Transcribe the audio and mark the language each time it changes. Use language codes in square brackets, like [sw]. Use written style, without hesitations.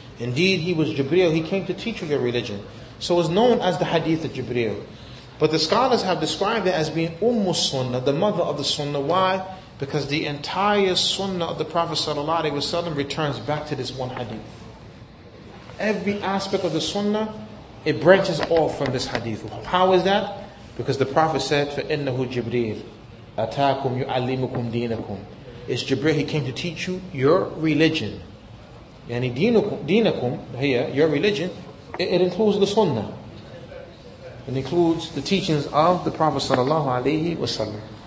[en] Indeed, he was Jibreel, he came to teach you your religion. So it was known as the hadith of Jibreel. But the scholars have described it as being Ummu Sunnah, the mother of the Sunnah. Why? Because the entire Sunnah of the Prophet sallallahu alaihi wasallam returns back to this one hadith. Every aspect of the Sunnah, it branches off from this hadith. How is that? [ar] Because the Prophet said, فَإِنَّهُ جِبْرِيلْ أَتَاكُمْ يُعَلِّمُكُمْ دِينَكُمْ. [en] It's Jibreel, he came to teach you your religion. Yani دِينَكُمْ here, your religion, it includes the Sunnah. It includes the teachings of the Prophet sallallahu alayhi wa sallam.